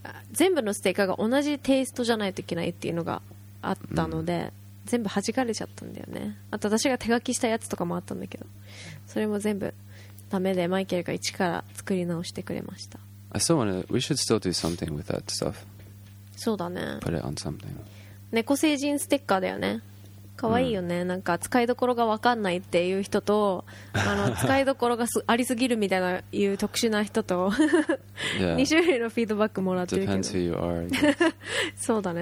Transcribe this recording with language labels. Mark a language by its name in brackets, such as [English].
[Japanese] 全部のステッカーが同じテイストじゃないといけないっていうのがあったので、全部弾かれちゃったんだよねあと私が手書きしたやつとかもあったんだけどそれも全部ダメでマイケルが一から作り直してくれました [English] I still want to. We should still do something with that stuff. [Japanese] そうだね。 [English] Put it on something. [Japanese] 猫星人ステッカーだよね。かわいいよね。なんか使いどころが分かんないっていう人と、使いどころがありすぎるみたいないう特殊な人と、二種類のフィードバックもらってるけど。 [English] Depends who you are. [Japanese] そうだね。